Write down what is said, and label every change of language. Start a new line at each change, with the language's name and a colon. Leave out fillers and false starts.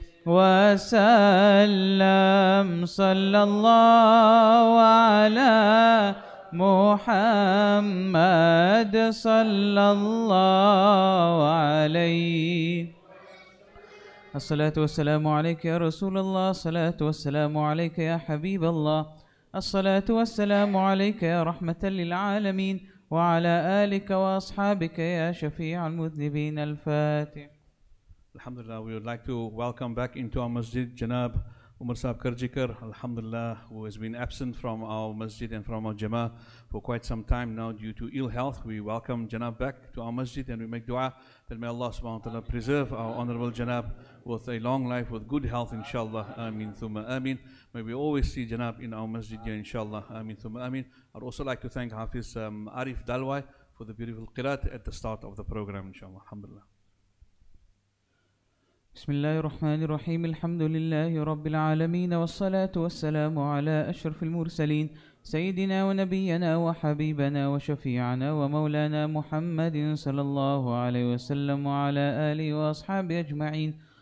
Arabic: وسلم صلى الله على محمد صلى الله عليه الصلاة والسلام عليك يا رسول الله الصلاة والسلام عليك يا حبيب الله الصلاة والسلام عليك يا رحمة للعالمين وعلى آلك وأصحابك يا شفيع المذنبين الفاتح
English: Alhamdulillah, we would like to welcome back into our masjid, Janab Umar Saab Karjikar, alhamdulillah, who has been absent from our masjid and from our jama'ah for quite some time now due to ill health. We welcome Janab back to our masjid and we make dua that may Allah subhanahu wa ta'ala preserve our honorable Janab with a long life, with good health, inshallah. Ameen, thumma ameen. May we always see Janab in our masjid, ya, inshallah. Ameen, thumma ameen. I'd also like to thank Hafiz Arif Dalwai for the beautiful qiraat at the start of the program, inshallah. Alhamdulillah.
Arabic: بسم الله الرحمن الرحيم الحمد لله رب العالمين والصلاة والسلام على أشرف المرسلين سيدنا ونبينا وحبيبنا وشفيعنا ومولانا محمد صلى الله عليه وسلم وعلى آله وأصحابه أجمعين